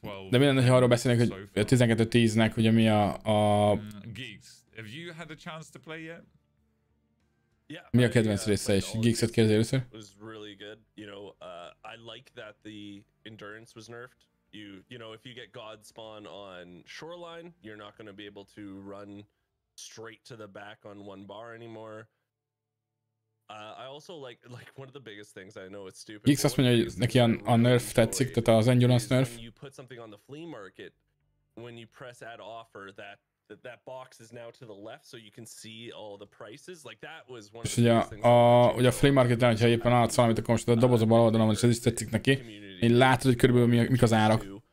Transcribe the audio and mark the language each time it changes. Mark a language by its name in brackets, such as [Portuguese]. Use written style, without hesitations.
[Hungarian] De mi lenne, ha arról beszélnék, hogy a 12.10-nek, ugye mi a [English] Geeks, have you had a chance to play yet? [Hungarian] Mi a kedvenc része, és Geeks-et kérdezi először? [English] It was really good. You know, I like that the endurance was nerfed. You know, if you get God spawn on shoreline, you're not going to be able to run straight to the back on one bar anymore. I also like one of the biggest things, I know it's stupid. [Hungarian] Geeks azt mondja, hogy neki a nerf tetszik, tehát az endurance nerf. [English] When you put something on the flea market, when you press add offer, that box is now to the left, so you can see all the prices. Like that was one of the biggest things. [Hungarian] Ugye a flea market, de hogyha éppen adsz valamit, akkor most a doboz a bal oldalon, és ez is tetszik neki. Én látod, hogy körülbelül mik az árak.